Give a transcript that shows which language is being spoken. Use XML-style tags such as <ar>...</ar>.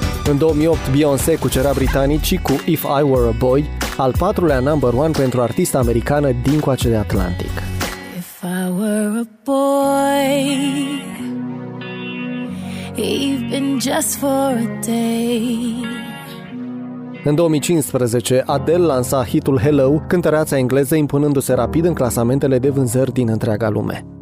<ro>În 2008, Beyoncé cucera britanicii cu If I Were a Boy, al patrulea number one pentru artista americană din coace de Atlantic.</ro> <en>If I were a boy, even just for a day.</en> <ro>În 2015, Adele lansa hitul Hello, cântăreața engleză impunându-se rapid în clasamentele de vânzări din întreaga lume.</ro>